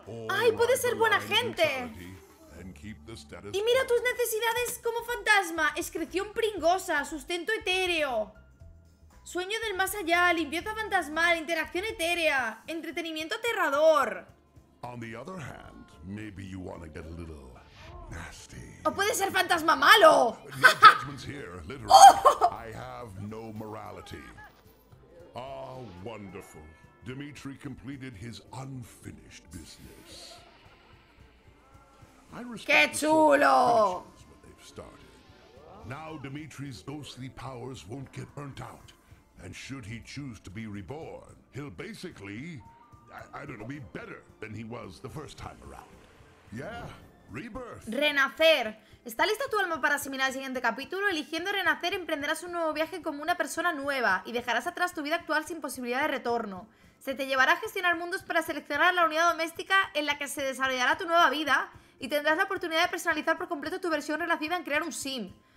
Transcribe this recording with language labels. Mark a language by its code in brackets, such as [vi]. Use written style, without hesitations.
[es] Ay, puedes ser buena gente. Y mira tus necesidades como fantasma: excreción pringosa, sustento etéreo, sueño del más allá, limpieza fantasmal, interacción etérea, entretenimiento aterrador. [en] On the other hand, maybe you want to get a little nasty. [es] ¿O puede ser fantasma malo? [en] No judgments here, literally. I have no morality. Ah, wonderful. Dimitri completed his unfinished business. I respect [es] ¡Qué chulo! [en] What they've started. Now Dimitri's ghostly powers won't get burnt out. And should he choose to be reborn, he'll basically... I don't know, be better than he was the first time around. Yeah, Rebirth. [es] Renacer. ¿Está lista tu alma para asimilar el siguiente capítulo? Eligiendo renacer, emprenderás un nuevo viaje como una persona nueva y dejarás atrás tu vida actual sin posibilidad de retorno. Se te llevará a gestionar mundos para seleccionar la unidad doméstica en la que se desarrollará tu nueva vida y tendrás la oportunidad de personalizar por completo tu versión renacida en crear un sim.